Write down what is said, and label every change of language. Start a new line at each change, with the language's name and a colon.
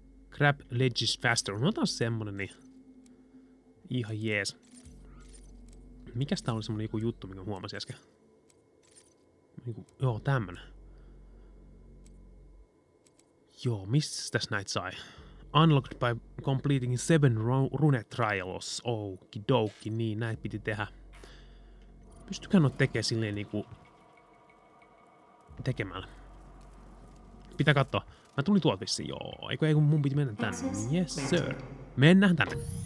English: Grab ledges faster.
Finnish: No otan semmonen, niin... Ihan jees. Mikäs tää oli semmonen joku juttu, minkä huomasin äsken? Niinku, joo, tämmönen. Joo, missä tässä näitä sai?
English: Unlocked by completing 7 rune trials.
Finnish: Okidoki, niin näitä piti tehdä. Pystykään noita tekemään silleen niinku... Tekemällä. Pitää katsoa. Mä tulin tuolta vissiin. Joo, eikö mun piti mennä tänne?
English: Yes, sir.
Finnish: Mennään tänne.